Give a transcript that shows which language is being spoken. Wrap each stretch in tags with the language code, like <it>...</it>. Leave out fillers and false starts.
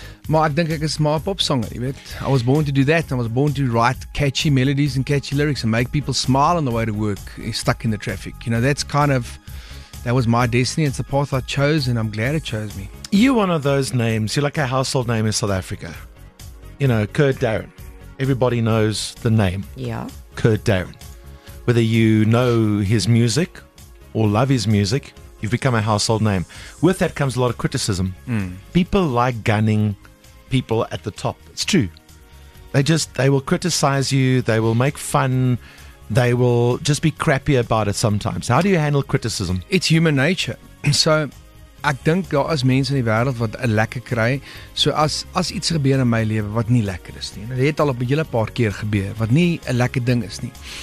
<af>Maar ek dink ek is maar 'n pop songer, jy weet.</af> <en>I was born to do that. I was born to write catchy melodies and catchy lyrics and make people smile on the way to work, stuck in the traffic. You know, that's kind of... That was my destiny. It's the path I chose, and I'm glad it chose me. You're one of those names. You're like a household name in South Africa. You know, Kurt Darren. Everybody knows the name. Yeah. Kurt Darren. Whether you know his music or love his music, you've become a household name. With that comes a lot of criticism. People like gunning people at the top. It's true. They will criticize you. They will make fun. They will just be crappy about it sometimes. How do you handle criticism? It's human nature. So</en> <af>ek dink daar is mense in die wêreld wat 'n lekker kry. So as iets gebeur in my lewe wat nie lekker is nie. Dit het al op 'n hele paar keer gebeur wat nie 'n lekker ding is nie.</af>